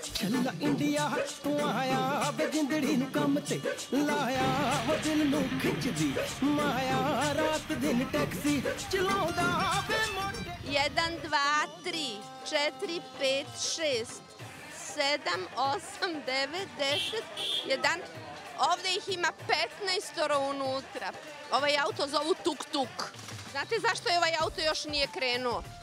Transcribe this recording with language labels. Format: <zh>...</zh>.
<pa>ਲਾ ਇੰਡੀਆ ਤੂੰ ਆਇਆ ਵੇ ਜਿੰਦੜੀ ਨੂੰ ਕੰਮ ਤੇ ਲਾਇਆ ਵੇ ਦਿਲ ਨੂੰ ਖਿੱਚਦੀ ਮਾਇਆ ਰਾਤ ਦਿਨ ਟੈਕਸੀ ਚਲਾਉਂਦਾ ਵੇ</pa> <sr>ਮੋਟੇ 1 2 3 4 5 6 7 8 9 10 1 ovde ih ima 15 unutra. Ovaj auto zovu tuk tuk. Znate zašto je ovaj auto još nije krenuo?</sr>